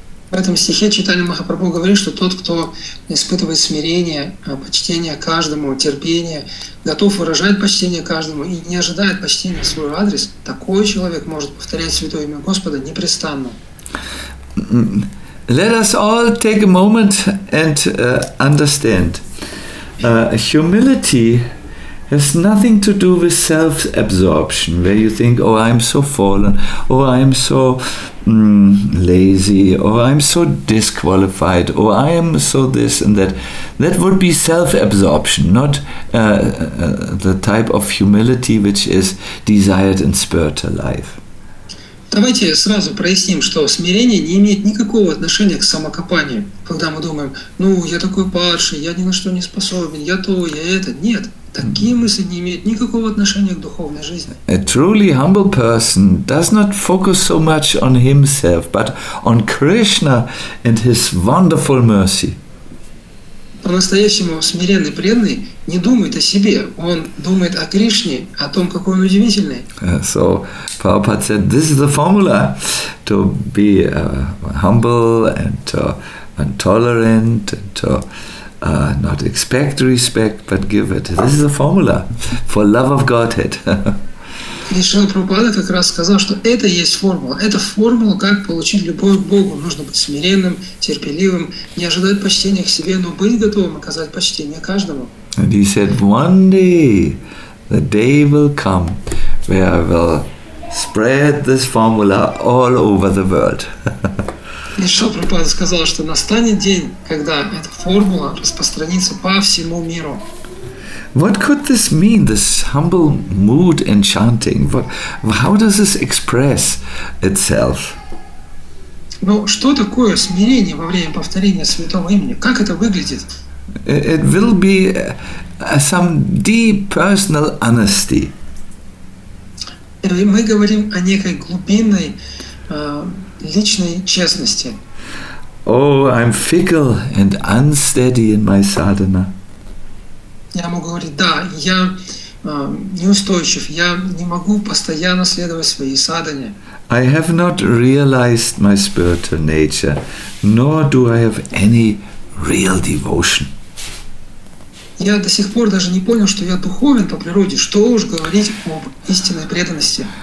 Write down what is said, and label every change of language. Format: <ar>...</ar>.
<ru>В этом стихе Чайтанья Махапрабху говорит, что тот, кто испытывает смирение, почтение каждому, терпение, готов выражать почтение каждому и не ожидает почтения в свой адрес, такой человек может повторять святое имя Господа непрестанно.</ru> <en>Let us all take a moment and understand. Humility has nothing to do with self-absorption, where you think, oh, I'm so fallen, oh, I'm so lazy, oh, I'm so disqualified, oh, I am so this and that. That would be self-absorption, not the type of humility which is desired in spiritual life.</en> <ru>Давайте сразу проясним, что смирение не имеет никакого отношения к самокопанию, когда мы думаем, ну, я такой падший, я ни на что не способен, я то, я это. Нет, такие мысли не имеют никакого отношения к духовной жизни.</ru> <en>A truly humble person does not focus so much on himself, but on Krishna and his wonderful mercy.</en> <ru>По-настоящему смиренный преданный не думает о себе, он думает о Кришне, о том, какой он удивительный.</ru> <en>So, Prabhupada said, this is the formula to be humble and tolerant and to not expect respect, but give it. This is the formula for love of Godhead.</en> <ru>И Шрила Прабхупада как раз сказал, что это есть формула. Это формула, как получить любовь к Богу. Нужно быть смиренным, терпеливым, не ожидать почтения к себе, но быть готовым оказать почтение каждому.</ru> <en>And he said, one day, the day will come, where I will spread this formula all over the world.</en> <ru>И Шрила Прабхупада сказал, что настанет день, когда эта формула распространится по всему миру.</ru> <en>What could this mean, this humble mood and chanting? How does this express itself?</en> <ru>Ну, что такое смирение во время повторения святого имени? Как это выглядит?</ru> <en>It will be some deep personal honesty.</en> <ru>Мы говорим о некой глубинной личной честности.</ru> <en>Oh, I'm fickle and unsteady in my sadhana.</en> <ru>Я могу говорить, да, я неустойчив, я не могу постоянно следовать своей садхане.</ru> <en>I have not realized my spiritual nature, nor do I have any real devotion.</en> <ru>Я до сих пор даже не понял, что я духовен по природе, что уж говорить об истинной преданности.</ru>